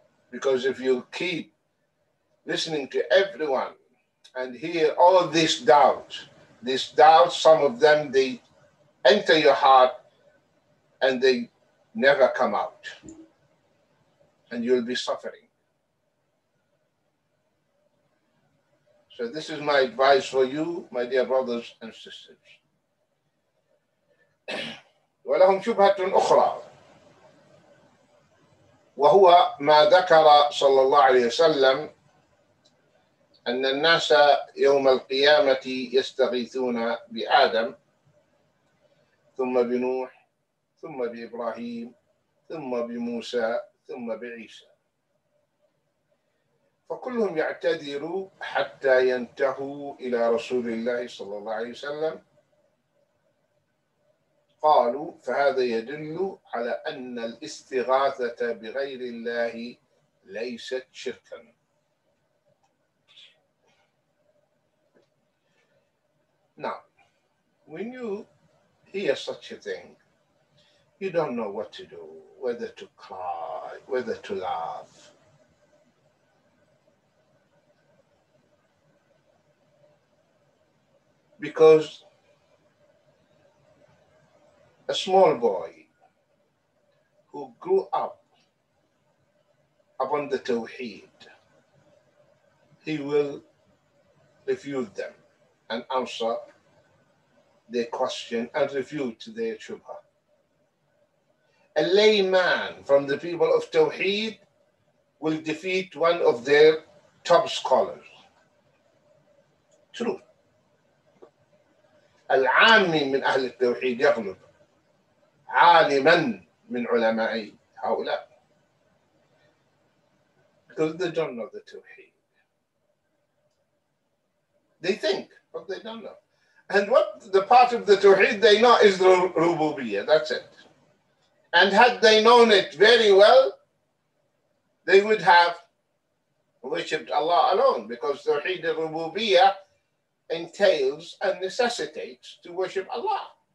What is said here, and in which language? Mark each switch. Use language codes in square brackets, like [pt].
[en] Because if you keep listening to everyone and hear all these doubts, some of them, they enter your heart and they never come out. And you'll be suffering. So this is my advice for you, my dear brothers and sisters. [ar] وَلَهُمْ شُبْهَةٌ أُخْرَى وَهُوَ مَا ذَكَرَ صَلَّى اللَّهُ عَلَيْهِ وَسَلَّمْ أَنَّ النَّاسَ يَوْمَ الْقِيَامَةِ يَسْتَغِيثُونَ بِآدَمْ ثُمَّ بِنُوحِ ثُمَّ بِإِبْرَاهِيمِ ثُمَّ بِمُوسَى ثُمَّ بِعِيسَى فكلهم يعتذروا حتى ينتهوا إلى رسول الله صلى الله عليه وسلم قالوا فهذا يدل على أن الاستغاثة بغير الله ليست شركا. [en] Now, when you hear such a thing, you don't know what to do, whether to cry, whether to laugh. Because a small boy who grew up upon the Tawheed, he will refute them and answer their question and refute their shubha. A layman from the people of Tawheed will defeat one of their top scholars. True. [ar] العامي من أهل التوحيد يغلب عالما من علماء هؤلاء [en] because they don't know the [ar] توحيد. [en] They think, but they don't know. And what the part of the توحيد they know is the rububiyya, that's it. And had they known it very well, they would have worshipped Allah alone, because توحيد rububiyya entails and necessitates to worship Allah.